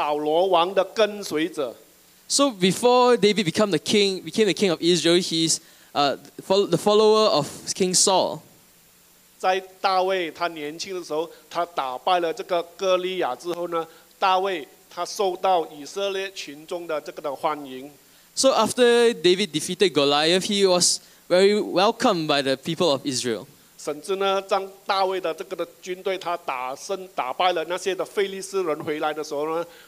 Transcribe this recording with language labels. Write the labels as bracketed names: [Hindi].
[Chinese] 好，谢谢。大卫呢，在他还没有成为这个以色列王之前呢，他是扫罗王的跟随者。 [English] So before David became the king, of Israel, he's the follower of King Saul. [Chinese] 在大卫他年轻的时候，他打败了这个哥利亚之后呢，大卫他受到以色列群众的这个的欢迎。So [English] after David defeated Goliath, he was very welcomed by the people of Israel. [Chinese] 甚至呢，当大卫的这个的军队他打败了那些的非利士人回来的时候呢。